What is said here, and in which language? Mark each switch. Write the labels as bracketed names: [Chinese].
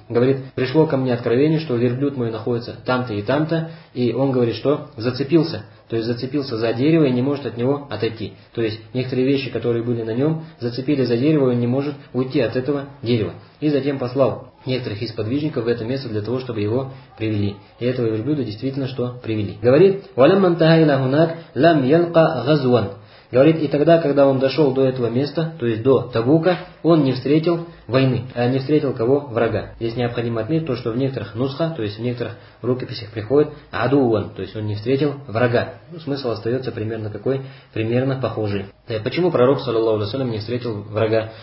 [Russian] Говорит, пришло ко мне откровение, что верблюд мой находится там-то и там-то, и он говорит, что зацепился. То есть зацепился за дерево и не может от него отойти. То есть некоторые вещи, которые были на нем, зацепили за дерево и он не может уйти от этого дерева. И затем послал некоторых из подвижников в это место для того, чтобы его привели. И этого верблюда действительно что привели. Говорит, [Arabic] وَلَمَّا انْتَهَى إِلَى هُنَاكْ لَمْ يَلْقَ غَزْوًا. [Russian] Говорит, и тогда, когда он дошел до этого места, то есть до Табука, он не встретил войны, а не встретил кого? Врага. Здесь необходимо отметить то, что в некоторых нусха, то есть в некоторых рукописях приходит адуван, то есть он не встретил врага. Ну, смысл остается примерно какой? Примерно похожий. Да, почему пророк, саллаллаху алейхи ва саллям, не встретил врага?